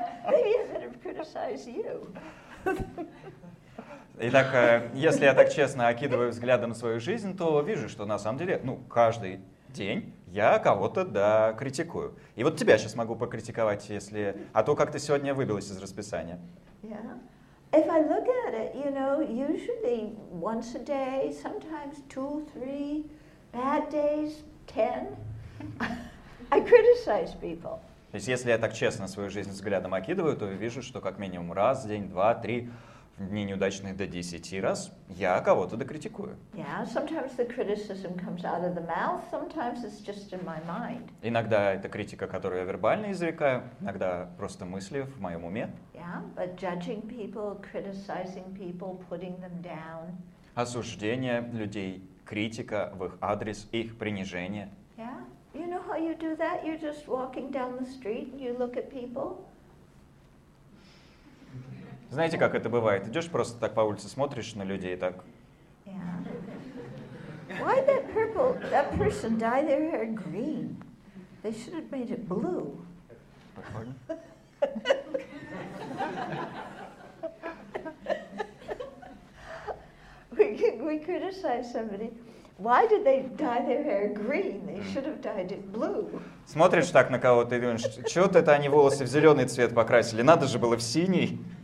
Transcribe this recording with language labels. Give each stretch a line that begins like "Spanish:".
English: Maybe I better criticize you.
Russian: Итак, если я так честно окидываю взглядом свою жизнь, то вижу, что на самом деле, ну, каждый день я кого-то да критикую. И вот тебя сейчас могу покритиковать, если, а то как ты сегодня выбилась из расписания.
English: If I look at it, you know, usually once a day, sometimes two, three bad days, 10, I criticize people.
Russian: То есть если я так честно свою жизнь взглядом окидываю, то вижу, что как минимум раз в день, два, три, в дни неудачные до 10 раз я кого-то докритикую.
English: Yeah, sometimes the criticism comes out of the mouth, sometimes it's just in my mind.
Russian: Иногда это критика, которую я вербально изрекаю, иногда просто мысли в моем уме.
English: Yeah, but judging people, criticizing people, putting them down.
Russian: Осуждение людей, критика в их адрес, их принижение.
English: Yeah, you know how you do that? You're just walking down the street and you look at people.
Russian: Знаете, как это бывает? Идешь просто так по улице, смотришь на людей так.
English: Yeah. Why that purple, that person dye their hair green? They should have made it blue. We criticize somebody. Why did they dye their hair green? They should have dyed it blue.
Russian: Смотришь так на кого-то и думаешь, чего-то это они волосы в зеленый цвет покрасили. Надо же было в синий.